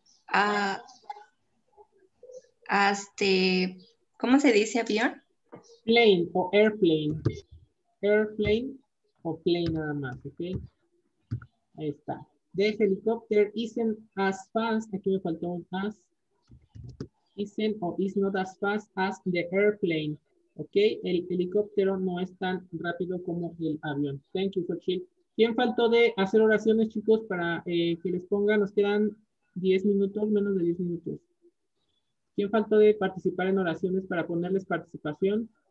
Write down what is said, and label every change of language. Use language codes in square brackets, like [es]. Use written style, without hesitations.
[es] ¿Cómo se dice avión? [en] Plane o airplane. [es] Airplane o plane nada más, ¿ok? Ahí está. [en] The helicopter isn't as fast. [es] Aquí me faltó un as. [en] Isn't or is not as fast as the airplane. [es] Ok, el helicóptero no es tan rápido como el avión. [en] Thank you, [es] Xochitl. ¿Quién faltó de hacer oraciones, chicos, para que les ponga? Nos quedan 10 minutos, menos de 10 minutos. ¿Quién faltó de participar en oraciones para ponerles participación?